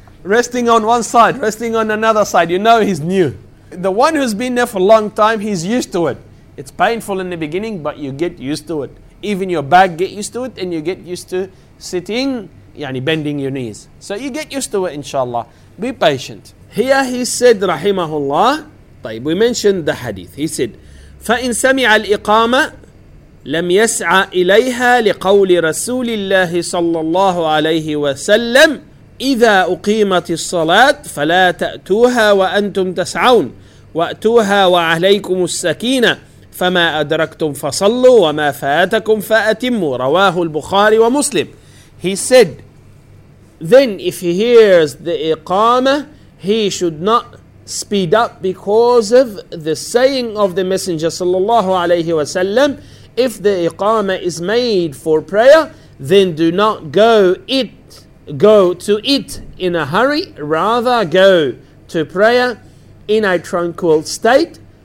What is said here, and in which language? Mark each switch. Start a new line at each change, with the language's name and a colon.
English: Resting on one side, resting on another side. You know he's new. The one who's been there for a long time, he's used to it. It's painful in the beginning, but you get used to it. Even your back get used to it, and you get used to sitting, yani bending your knees. So you get used to it, inshallah. Be patient. Here he said, rahimahullah, طيب, we mentioned the hadith. He said,
Arabic: فَإِن سَمِعَ الْإِقَامَةِ لم يسعى إليها لقول رسول الله صلى الله عليه وسلم إذا أقيمت الصلاة فلا تأتوها وأنتم تسعون وأتوها وعليكم السكينة فما أدركتم فصلوا وما فاتكم فأتموا رواه البخاري ومسلم.
English: He said, then if he hears the إقامة, he should not speed up because of the saying of the Messenger صلى الله عليه وسلم, if the iqama is made for prayer, then do not go to it in a hurry, rather go to prayer in a tranquil state.